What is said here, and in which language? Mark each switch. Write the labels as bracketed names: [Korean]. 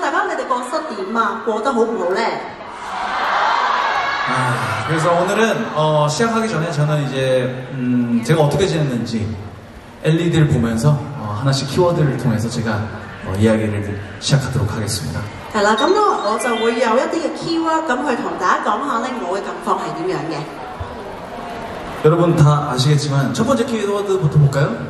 [Cantonese] 大家你哋觉得点啊？过得好唔好咧？ [Korean] 그래서 오늘은 시작하기 전에 저는 이제 제가 어떻게 지냈는지 LED를 보면서 하나씩 키워드를 통해서 제가 이야기를 시작하도록 하겠습니다. [Cantonese] 係啦，咁我就會有一啲嘅 keyword 咁去同大家講下咧，我嘅近況係點樣嘅。 [Korean] 여러분 다 아시겠지만 첫 번째 키워드부터 볼까요?